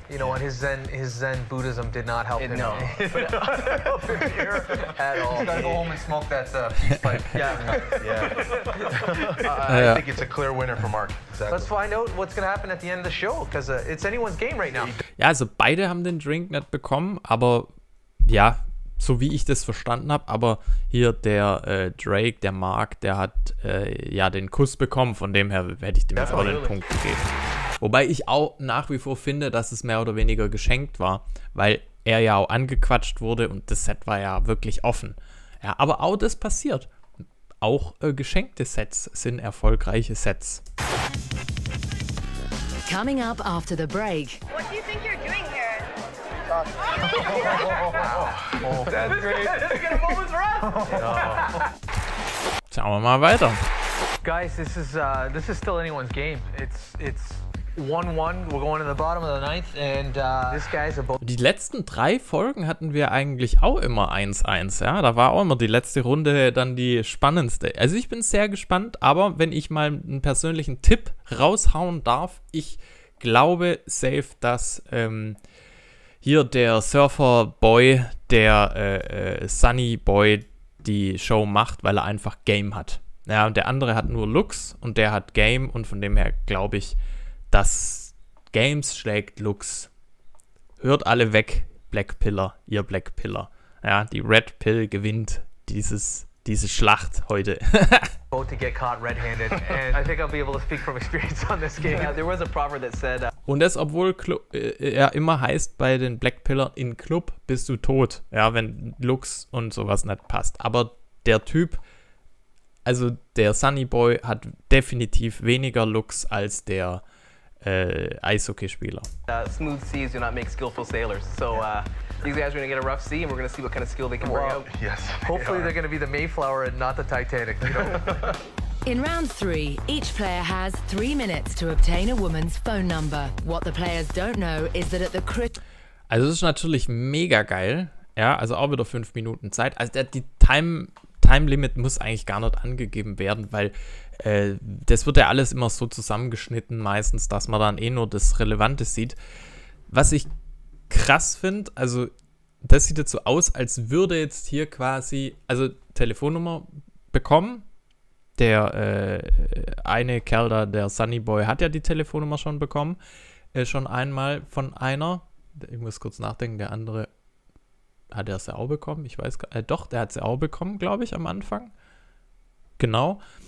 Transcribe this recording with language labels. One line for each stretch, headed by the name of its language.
English: You know what? His Zen Buddhism did not help him. No, at all. He's gotta go home and smoke that peace pipe. Yeah. I think it's a clear winner for Mark. Exactly. Let's find out what's gonna happen at the end of the show, because it's anyone's game right now.
German: Ja, also beide haben den Drink nicht bekommen, aber ja, so wie ich das verstanden habe, aber hier der Drake, der Mark, der hat ja den Kuss bekommen, von dem her hätte ich dem jetzt auch den Punkt gegeben. Wobei ich auch nach wie vor finde, dass es mehr oder weniger geschenkt war, weil er ja auch angequatscht wurde und das Set war ja wirklich offen. Ja, aber auch das passiert. Auch geschenkte Sets sind erfolgreiche Sets.
English: Coming up after the break. What do you think you're doing here? That's great. This is gonna move us around.
German: Schauen wir mal weiter.
English: Guys, this is still anyone's game. It's 1-1. We're going to the bottom of the ninth, and this guy's about.
German: Die letzten drei Folgen hatten wir eigentlich auch immer 1-1. Ja, da war auch immer die letzte Runde dann die spannendste. Also ich bin sehr gespannt. Aber wenn ich mal einen persönlichen Tipp raushauen darf, ich glaube safe, dass hier der Surfer-Boy, der Sunny-Boy, die Show macht, weil er einfach Game hat. Ja, und der andere hat nur Looks und der hat Game. Und von dem her glaube ich, dass Games schlägt Looks. Hört alle weg, Blackpiller, ihr Blackpiller. Ja, die Red Pill gewinnt diese Schlacht heute.
English: Both to get caught red-handed, and I think I'll be able to speak from experience on this game. Yeah, there was a proverb that said.
German: Und das, obwohl er immer heißt bei den Blackpillern, in Club bist du tot, ja, wenn Looks und sowas nicht passt. Aber der Typ, also der Sunny Boy, hat definitiv weniger Looks als der Eishockeyspieler.
English: Smooth seas do not make skillful sailors, so. These guys are gonna get a rough sea, and we're gonna see what kind of skill they can bring out. Yes. Hopefully, they're gonna be the Mayflower and not the Titanic. You know? In round three, each player has 3 minutes to obtain a woman's phone number. What the players don't know is that at the
German: Also es ist natürlich mega geil, ja. Also auch wieder 5 Minuten Zeit. Also die Time Limit muss eigentlich gar nicht angegeben werden, weil das wird ja alles immer so zusammengeschnitten, meistens, dass man dann eh nur das Relevante sieht. Was ich krass finde, also das sieht jetzt so aus, als würde jetzt hier quasi, also Telefonnummer bekommen, der eine Kerl da, der Sunny Boy, hat ja die Telefonnummer schon bekommen, schon einmal von einer, ich muss kurz nachdenken, der andere, hat er es ja auch bekommen, ich weiß gar nicht, doch, der hat es ja auch bekommen, glaube ich, am Anfang, genau,